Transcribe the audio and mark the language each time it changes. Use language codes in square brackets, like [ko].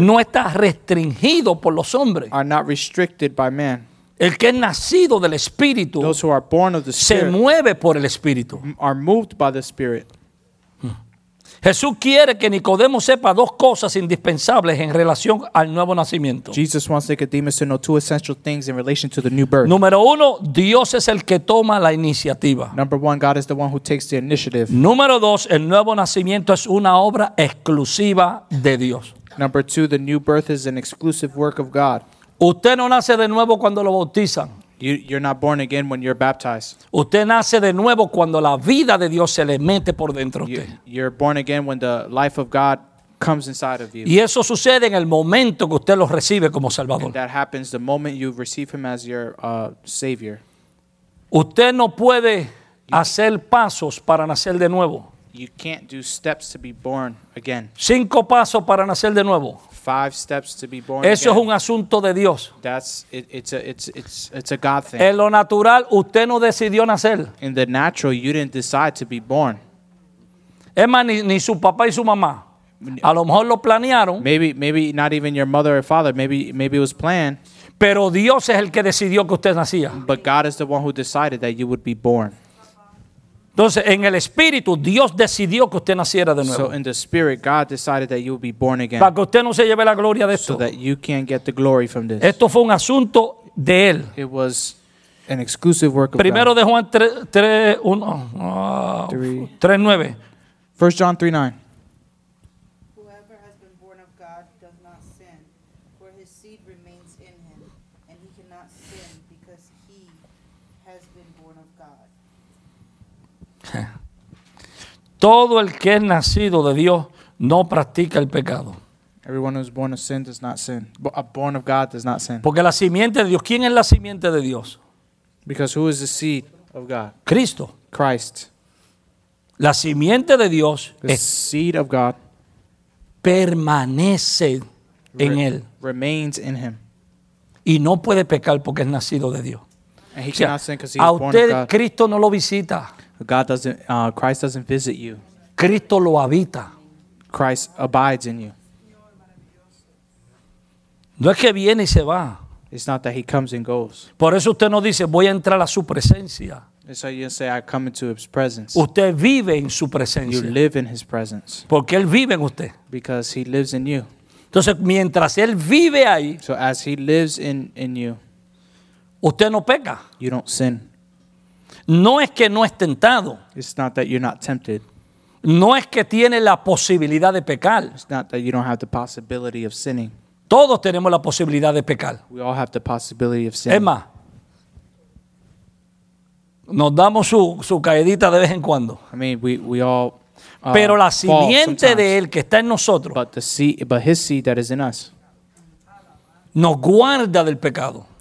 [es] No está restringido por los hombres. [en] Are not restricted by man. [es] El que es nacido del Espíritu. [en] Those who are born of the Spirit. [es] Se mueve por el Espíritu. [en] Are moved by the Spirit. [es] Jesús quiere que Nicodemo sepa dos cosas indispensables en relación al nuevo nacimiento. [en] Jesus wants Nicodemus to know two essential things in relation to the new birth. [es] Número uno, Dios es el que toma la iniciativa. [en] Number one, God is the one who takes the initiative. [es] Número dos, el nuevo nacimiento es una obra exclusiva de Dios. [en] Number two, the new birth is an exclusive work of God. [es] Usted no nace de nuevo cuando lo bautizan. [en] You're not born again when you're baptized. [es] Usted nace de nuevo cuando la vida de Dios se le mete por dentro de usted. [en] You're born again when the life of God comes inside of you. [es] Y eso sucede en el momento que usted lo recibe como Salvador. [en] And that happens the moment you receive him as your Savior. [es] Usted no puede hacer pasos para nacer de nuevo. [en] You can't do steps to be born again. [es] 5 pasos para nacer de nuevo. [en] 5 steps to be born [es] Eso [en] again. [es] Es un asunto de Dios. [en] It's a God thing. [es] En lo natural, usted no decidió nacer. [en] In the natural, you didn't decide to be born. [es] Es más, ni su papá y su mamá. A lo mejor lo planearon. [en] Maybe not even your mother or father. Maybe it was planned. [es] Pero Dios es el que decidió que usted nacía. [en] But God is the one who decided that you would be born. [es] Entonces, en el Espíritu, Dios decidió que usted naciera de nuevo. [en] So, in the Spirit, God decided that you would be born again. [es] Para que usted no se lleve la gloria de esto. [en] So that you can get the glory from this. [es] Esto fue un asunto de Él. [en] It was an exclusive work of [es] Primero [en] God. [es] De Juan 3:9. [en] 1 John 3:9. Whoever has been born of God does not sin. for his seed remains in him, and he cannot sin because he has been born of God. [es] Todo el que es nacido de Dios no practica el pecado. [en] Everyone who is born of sin does not sin. Born of God does not sin. [es] Porque la simiente de Dios, ¿quién es la simiente de Dios? [en] Because who is the seed of God? [es] Cristo. [en] Christ. [es] La simiente de Dios, [en] the seed of God, [es] permanece en él. [en] Remains in him. [es] Y no puede pecar porque es nacido de Dios. [en] And he cannot sin because he is born of God. [es] A usted Cristo no lo visita. [en] God doesn't, Christ doesn't visit you. [es] Cristo lo habita. [en] Christ abides in you. [es] No es que viene y se va. [en] It's not that he comes and goes. [es] Por eso usted no dice, voy a entrar a su presencia. [en] It's so you say, I come into his presence. [es] Usted vive en su presencia. [en] You live in his presence. [es] Porque él vive en usted. [en] Because he lives in you. [es] Entonces, mientras él vive ahí. [en] So as he lives in you. [es] Usted no peca. [en] You don't sin. [es] No es que no es tentado. [en] It's not that you're not tempted. [es] No es que tiene la posibilidad de pecar. [en] It's not that you don't have the possibility of sinning. [es] Todos tenemos la posibilidad de pecar. [en] We all have the possibility of sinning. [es] Es más, nos damos su caedita de vez en cuando. [en] I mean, we all fall sometimes. [es] Pero la simiente de él que está en nosotros. [en] But his seed that is in us. [es] Nos guarda del pecado.